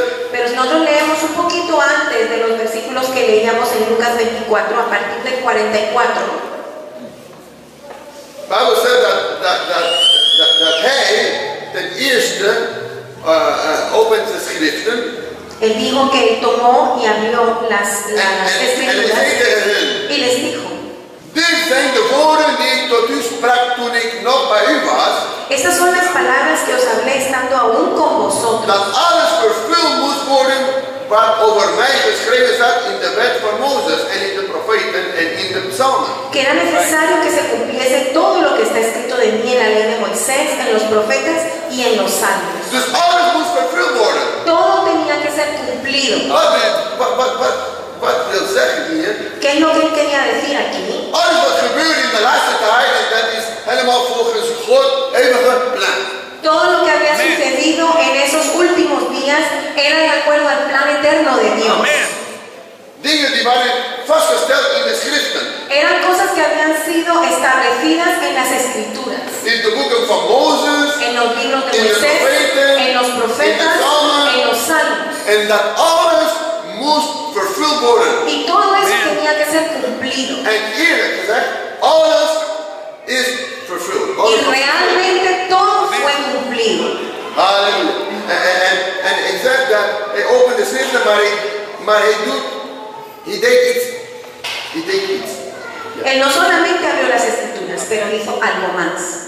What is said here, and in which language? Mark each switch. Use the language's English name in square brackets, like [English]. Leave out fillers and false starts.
[Spanish] Pero nosotros leemos un poquito antes de los versículos que leíamos en Lucas 24, a partir del 44. Pablo dice [Dutch] opens de schriften. [Spanish] Él dijo que él tomó y abrió las escrituras y les dijo: [Dutch] dit zijn de woorden die ik tot u sprak toen ik nog bij u was. [Spanish] Estas son las palabras que os hablé estando aún con vosotros. [Dutch] Dat alles vervuld moest worden wat over mij geschreven staat in de wet van Mozes en in de profeten en in de psalmen. [Spanish] Que era necesario que se cumpliese todo lo que está escrito de mí en la ley de Moisés, en los profetas y en los salmos. [Dutch] Dus alles moest vervuld worden. [Spanish] Todo tenía que ser cumplido. [Dutch] Amen. Wat wil zeggen hier? [Spanish] ¿Qué es lo que él quería decir aquí? [Dutch] Alles wat gebeurt in de laatste tijd, en dat is helemaal volgens God eeuwige plan. [Spanish] Todo lo que había sucedido en esos últimos días era de acuerdo al plan eterno de Dios. [Dutch] Dingen die waren vastgesteld in de schriften. [Spanish] Eran cosas que habían sido establecidas en las escrituras. [Dutch] In de boeken van Mozes. [Spanish] En los libros de Moisés. En los profetas. En los salmos. [Dutch] En dat alles moest vervuld worden. [Spanish] Y todo eso tenía que ser cumplido. [Dutch] En eerlijk gezegd, alles is vervuld. [Spanish] Y realmente todo fue cumplido. Aleluya. [Dutch] En ik zeg dat hij opende schriften, maar hij doet, hij deed iets. Hij deed iets. [Spanish] Él no solamente abrió las escrituras, pero hizo algo más.